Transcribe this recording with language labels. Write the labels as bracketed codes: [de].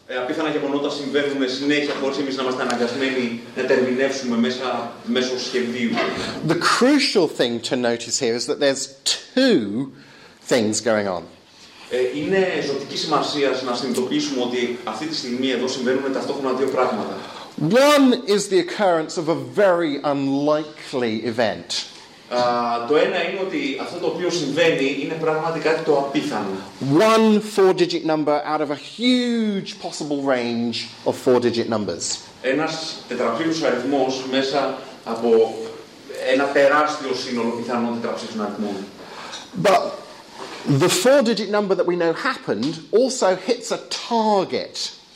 [el] Απίθανα γεγονότα συμβαίνουν συνέχεια χωρίς εμείς να είμαστε αναγκασμένοι να τερμινεύσουμε μέσω σχεδίου. [en] The crucial thing to notice here is that there's two things going on. [el] Είναι ζωτική σημασία να συνειδητοποιήσουμε ότι αυτή τη στιγμή εδώ συμβαίνουν ταυτόχρονα δύο πράγματα. [en] One is the occurrence of a very unlikely event. [el] Το ένα είναι ότι αυτό το οποίο συμβαίνει είναι πραγματικά το απίθανο. [en] One four-digit number out of a huge possible range of four-digit numbers. [el] Ένας τετραψήφιος αριθμός μέσα από ένα τεράστιο σύνολο πιθανών τετραψήφιων αριθμών. [en] But the four-digit number that we know happened also hits a target.